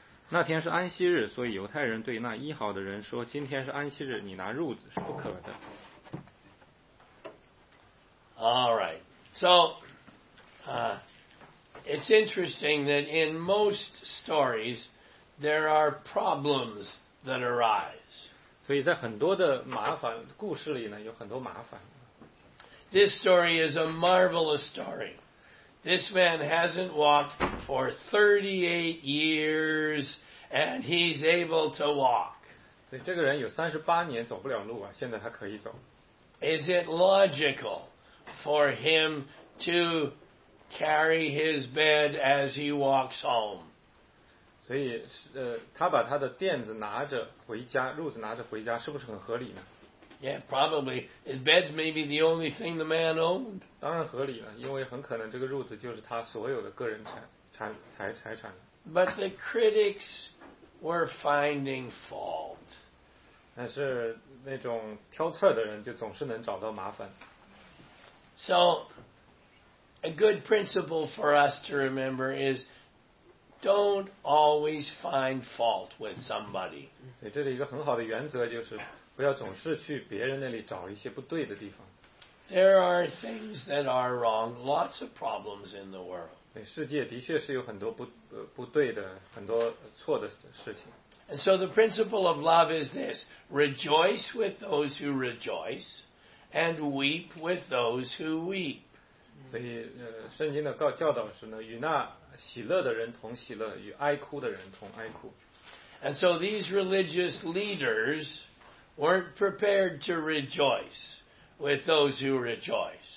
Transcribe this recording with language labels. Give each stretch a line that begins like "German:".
Chinese: 那天是安息日，所以犹太人对那医好的人说，今天是安息日，你拿褥子是不可的。
English: All right, so... It's interesting that in most stories, there are problems that arise.
Chinese: 所以在很多的麻烦故事里呢，有很多麻烦。
English: This story is a marvelous story. This man hasn't walked for 38 years, and he's able to walk.
Chinese: 所以这个人有38年走不了路啊，现在他可以走。
English: Is it logical for him to... carry his bed as he walks home.
Chinese: 所以他把他的垫子拿着回家，褥子拿着回家，是不是很合理呢？
English: Yeah, probably. His bed's maybe the only thing the man owned.
Chinese: 当然合理了，因为很可能这个褥子就是他所有的个人财产。
English: But the critics were finding fault.
Chinese: 但是那种挑刺的人就总是能找到麻烦。
English: So, a good principle for us to remember is don't always find fault with somebody.
Chinese: 对，这里一个很好的原则就是不要总是去别人那里找一些不对的地方。
English: There are things that are wrong, lots of problems in the world.
Chinese: 对，世界的确是有很多不对的，很多错的事情。
English: And so the principle of love is this, rejoice with those who rejoice, and weep with those who weep.
Chinese: 所以圣经的教导是呢，与那喜乐的人同喜乐，与哀哭的人同哀哭。
English: And so these religious leaders weren't prepared to rejoice with those who rejoice.